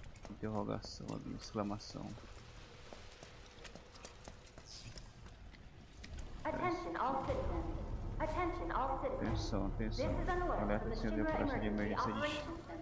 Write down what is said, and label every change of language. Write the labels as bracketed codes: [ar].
[pt] Interrogação ali, exclamação. [en] Attention, all citizens. Attention. [pt] Atenção, atenção. Alerta de incêndio para a emergência de incêndio.